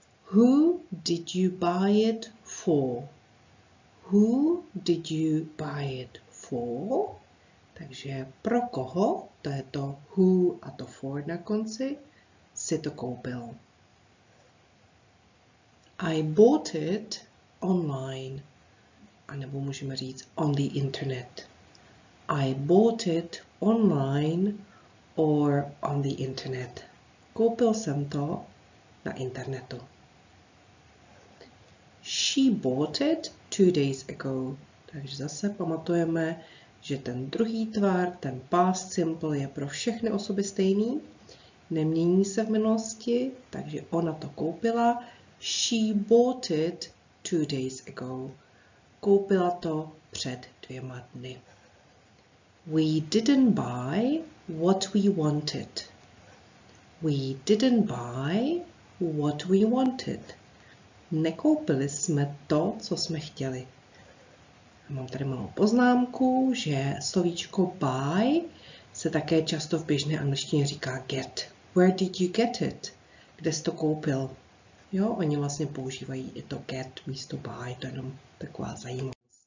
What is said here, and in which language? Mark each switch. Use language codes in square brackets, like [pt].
[en] Who did you buy it for? Who did you buy it for? [cs] Takže pro koho, to je to who a to for na konci, si to koupil? [en] I bought it online. [cs] A nebo můžeme říct [en] on the internet. I bought it online or on the internet. [cs] Koupil jsem to na internetu. [en] She bought it 2 days ago. [cs] Takže zase pamatujeme, že ten druhý tvar, ten past simple, je pro všechny osoby stejný. Nemění se v minulosti, takže ona to koupila. [en] She bought it 2 days ago. [cs] Koupila to před 2 dny. [en] We didn't buy what we wanted. We didn't buy what we wanted. [cs] Nekoupili jsme to, co jsme chtěli. Mám tady malou poznámku, že slovíčko buy se také často v běžné angličtině říká get. [en] Where did you get it? [cs] Kde jsi to koupil? Jo, oni vlastně používají i to get místo buy, to je jenom taková zajímavost.